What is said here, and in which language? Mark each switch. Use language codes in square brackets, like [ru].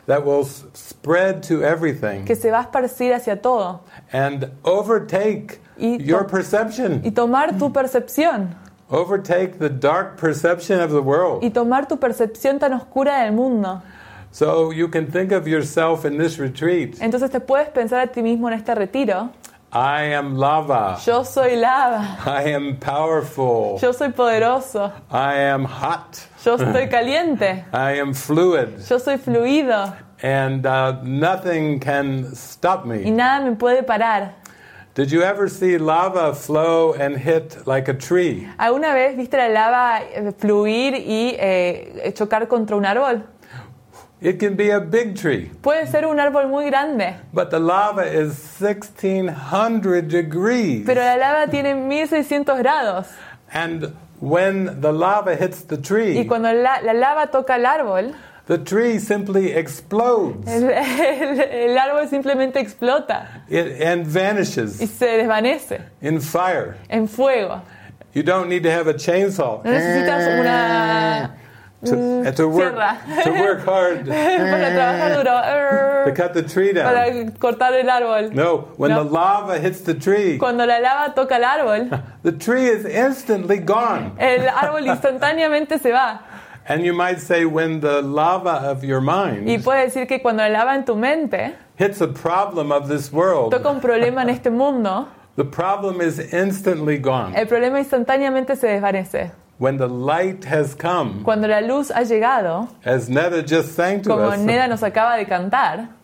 [en] That will spread to everything. [es] Que se va a esparcir hacia todo. [en] And overtake your perception. [es] Y tomar tu percepción. [en] Overtake the dark perception of the world. [es] Y tomar tu percepción tan oscura del mundo. [en] So you can think of yourself in this retreat. [es] Entonces te puedes pensar a ti mismo en este retiro. [en] I am lava. [es] Yo soy lava. [en] I am powerful. [es] Yo soy poderoso. [en] I am hot. [es] Yo estoy caliente. [en] I am fluid. [es] Yo soy fluido. [en] And nothing can stop me. [es] Y nada me puede parar. [en] Did you ever see lava flow and hit like a tree? [es] ¿Alguna vez viste la lava fluir y chocar contra un árbol? [en] It can be a big tree. [es] Puede ser un árbol muy grande. [en] But the lava is 1600 degrees. [es] Pero la lava tiene 1600 grados. [en] And when the lava hits the tree. [es] Y cuando la lava toca el árbol. [en] The tree simply explodes. [es] El árbol simplemente explota. [en] And vanishes. [es] Y se desvanece. [en] In fire. [es] En fuego. [en] You don't need to have a chainsaw. [es] No necesitas una [en] To work hard. [es] Para trabajar duro. [en] To cut the tree down. [es] Para cortar el árbol. [en] No, when the lava hits the tree. [es] Cuando la lava toca el árbol. [en] The tree is instantly gone. [es] El árbol instantáneamente se va. [en] And you might say when the lava of your mind. [es] Y puedes decir que cuando la lava en tu mente. [en] Hits a problem of this world. [es] Toca un problema en este mundo. [en] The problem is instantly gone. [es] El problema instantáneamente se desvanece. [en] When the light has come, [es] cuando la luz ha llegado, [en] as Neda just sang to [es] como [en] us, [es] Neda nos acaba de cantar,